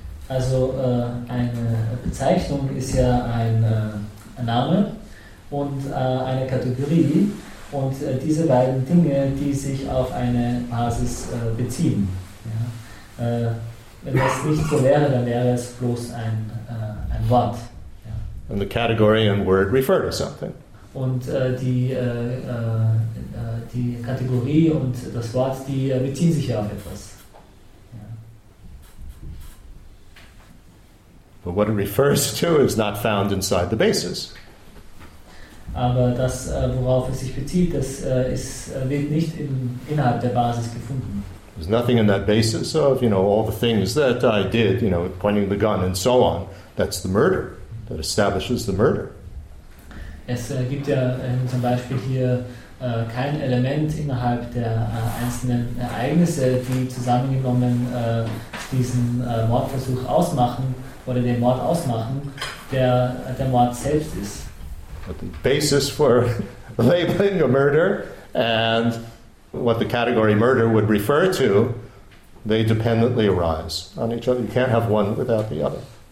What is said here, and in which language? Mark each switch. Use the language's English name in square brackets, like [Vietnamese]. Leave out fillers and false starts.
[German] Also, eine Bezeichnung ist ja ein Name und eine Kategorie, und diese beiden Dinge, die sich auf eine Basis beziehen. Wenn das nicht so wäre, dann wäre es bloß ein Wort. [English] And the category and word refer to something. [German] Und die Kategorie und das Wort, die beziehen sich ja auf etwas. [English] But what it refers to is not found inside the basis. [German] Aber das, worauf es sich bezieht, das wird nicht innerhalb der Basis gefunden. [English] There's nothing in that basis of, you know, all the things that I did, you know, pointing the gun and so on. That's the murder. That establishes the murder. [German] Es gibt ja zum Beispiel hier kein Element innerhalb der einzelnen Ereignisse, die zusammengenommen diesen Mordversuch ausmachen oder den Mord ausmachen, der Mord selbst ist. [English] But the basis for labeling a murder and what the category murder would refer to, they dependently arise on each other. You can't have one without the other.